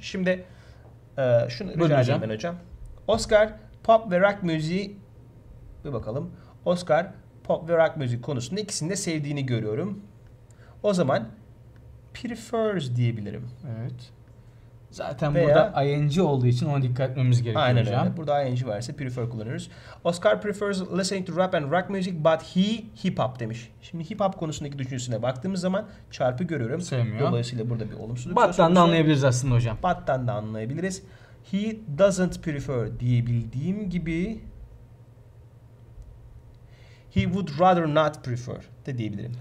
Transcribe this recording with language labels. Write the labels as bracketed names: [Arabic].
[Turkish] Şimdi şunu rica edeyim ben hocam. Oscar pop ve rock müziği Bir bakalım. Oscar pop ve rock müzik konusunda ikisini de sevdiğini görüyorum. O zaman prefers diyebilirim. Evet. Zaten veya, burada ing olduğu için ona dikkat etmemiz gerekiyor. Aynen hocam. Öyle. Burada ing varsa prefer kullanırız. [English] Oscar prefers listening to rap and rock music but he hip hop [Turkish] demiş. Şimdi hip hop konusundaki düşüncesine baktığımız zaman çarpı görüyorum. Sevmiyor. Dolayısıyla burada bir olumsuzluk. Bat'tan da anlayabiliriz aslında hocam. Bat'tan da anlayabiliriz. [English] He doesn't prefer [Turkish] diyebildiğim gibi [English] he would rather not prefer [Turkish] de diyebilirim.